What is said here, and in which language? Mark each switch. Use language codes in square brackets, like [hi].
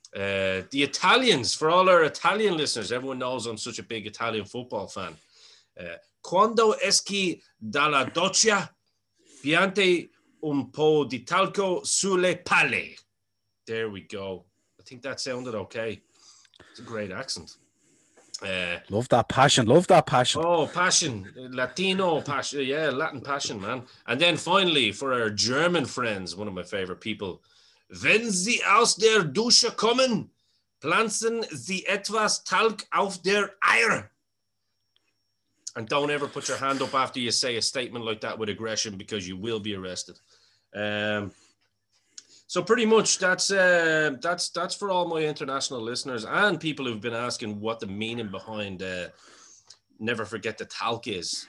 [en] The Italians, for all our Italian listeners, everyone knows I'm such a big Italian football fan. [it] Quando esci dalla doccia, piante un po' di talco sulle palle. [en] There we go. I think that sounded okay. It's a great accent. Love that passion. Oh, passion. Latino passion. Yeah, Latin passion, man. And then finally, for our German friends, one of my favorite people. [de] Wenn sie aus der Dusche kommen, pflanzen sie etwas Talg auf der Eier. [en] And don't ever put your hand up after you say a statement like that with aggression, because you will be arrested. So pretty much that's for all my international listeners and people who've been asking what the meaning behind Never Forget the Talc is.